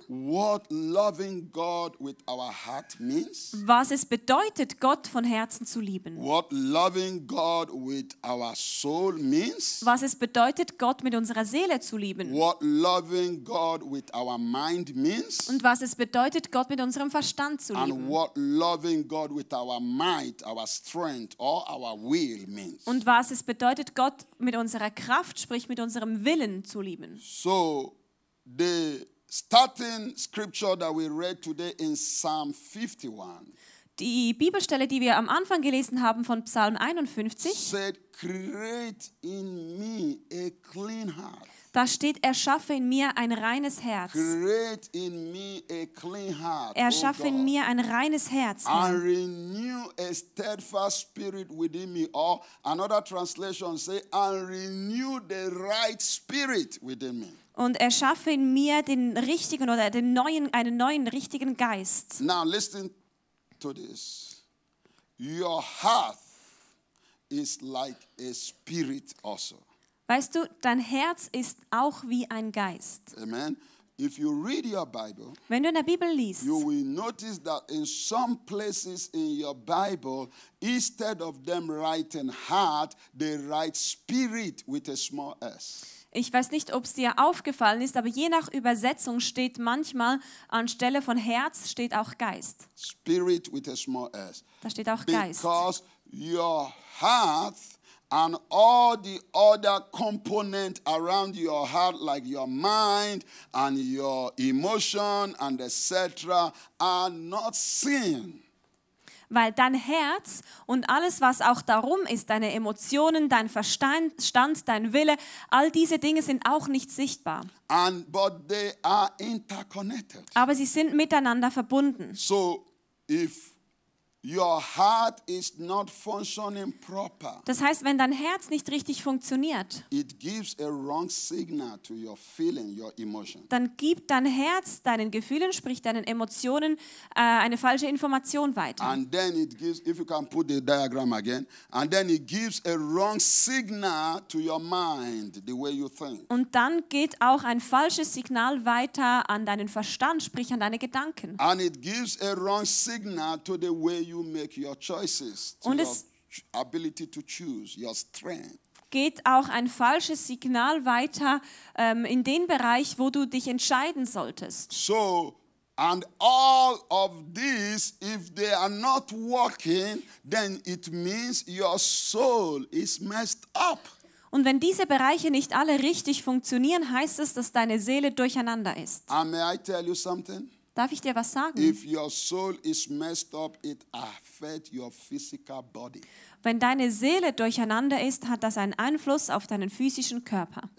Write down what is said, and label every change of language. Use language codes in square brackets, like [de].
[en] what loving God with our heart means, [de] was es bedeutet, Gott von Herzen zu lieben, [en] what loving God with our soul means, [de] was es bedeutet, Gott mit unserer Seele zu lieben, [en] what loving God with our mind means, [de] und was es bedeutet, Gott mit unserem Verstand zu lieben, [en] and what loving God with our might, our strength, or our will. [de] Und was es bedeutet, Gott mit unserer Kraft, sprich mit unserem Willen zu lieben. [en] So, the starting scripture that we read today in Psalm 51. [de] Die Bibelstelle, die wir am Anfang gelesen haben von Psalm 51. [en] Said, create in me a clean heart. [de] Da steht, erschaffe in mir ein reines Herz. [en] Create in me a clean heart, [de] erschaffe [en] oh God, [de] in mir ein reines Herz. [en] And renew a steadfast spirit within me. Or another translation say, and renew the right spirit within me. [de] Und erschaffe in mir den richtigen oder den neuen, einen neuen richtigen Geist. [en] Now listen to this. Your heart is like a spirit also. [de] Weißt du, dein Herz ist auch wie ein Geist. [en] Amen. If you read your Bible, [de] wenn du in der Bibel liest, [en] you will notice that in some places in your Bible, instead of them writing heart, they write spirit with a small s. [de] Ich weiß nicht, ob es dir aufgefallen ist, aber je nach Übersetzung steht manchmal anstelle von Herz steht auch Geist. [en] Spirit with a small s. [de] Da steht auch [en] Because [de] Geist. [en] Because your heart and all the other components around your heart, like your mind and your emotion and etc., are not seen. [de] Weil dein Herz und alles, was auch darum ist, deine Emotionen, dein Verstand, dein Wille, all diese Dinge sind auch nicht sichtbar. [en] And, but they are interconnected. [de] Aber sie sind miteinander verbunden. [en] So, if your heart is not functioning proper. [de] Das heißt, wenn dein Herz nicht richtig funktioniert, [en] it gives a wrong signal to your feeling, your emotion. [de] Dann gibt dein Herz deinen Gefühlen, sprich deinen Emotionen, eine falsche Information weiter. [en] And then it gives, if you can put the diagram again, and then it gives a wrong signal to your mind, the way you think. [de] Und dann geht auch ein falsches Signal weiter an deinen Verstand, sprich an deine Gedanken. [en] And it gives a wrong signal to the way you make your choices, [de] und [en] your ability to choose, your strength. [de] Geht auch ein falsches Signal weiter in den Bereich, wo du dich entscheiden solltest. [en] So, and all of these, if they are not working, then it means your soul is messed up. [de] Und wenn diese Bereiche nicht alle richtig funktionieren, heißt es, dass deine Seele durcheinander ist. [en] And may I tell you something? [de] Darf ich dir was sagen? [en] If your soul is messed up, it affects your physical body. [de] Wenn deine Seele durcheinander ist, hat das einen Einfluss auf deinen physischen Körper.